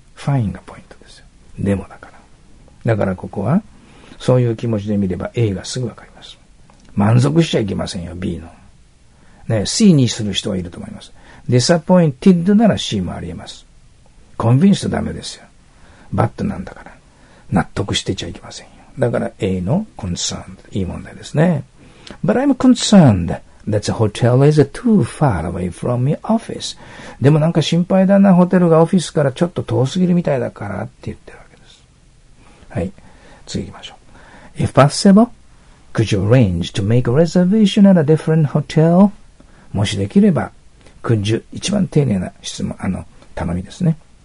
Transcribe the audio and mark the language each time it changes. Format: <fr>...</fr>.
<ja>fine がポイントですよ。でもだから。だから、ここは、そういう気持ちで見れば A がすぐわかります。満足しちゃいけませんよ、B の。ね、C にする人はいると思います。 disappointed なら C もあり得ます。convinced ダメですよ。bad なんだから。納得してちゃいけませんよ。だから A の concerned。いい問題ですね。</ja> <en>but I'm concerned that the hotel is too far away from my office.</en> <ja>でもなんか心配だな、ホテルがオフィスからちょっと遠すぎるみたいだからって言ってるわけです。はい。次行きましょう。</ja> <en>if possible,Could you arrange to make a reservation at a different hotel?</en> <ja>もしできれば、</ja> <en>could you、</en> <ja>一番丁寧な質問、頼みですね。</ja>